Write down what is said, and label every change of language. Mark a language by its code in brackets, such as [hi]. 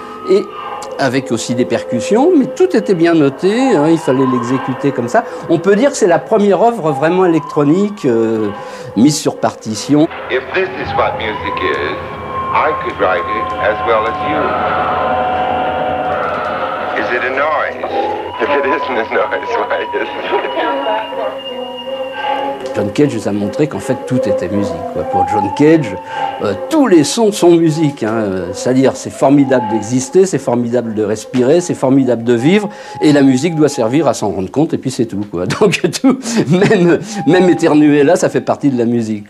[fr] Et avec aussi des percussions, mais tout était bien noté, hein, il fallait l'exécuter comme ça. On peut dire que c'est la première œuvre vraiment électronique mise sur partition. [en] If this is what music is, I could write it as well as you. Is it a noise? If it isn't a noise, why is it? [fr] John Cage nous a montré qu'en fait tout était musique. Quoi. Pour John Cage, tous les sons sont musique. Hein. C'est-à-dire, c'est formidable d'exister, c'est formidable de respirer, c'est formidable de vivre, et la musique doit servir à s'en rendre compte, et puis c'est tout. Quoi. Donc tout, même éternuer là, ça fait partie de la musique.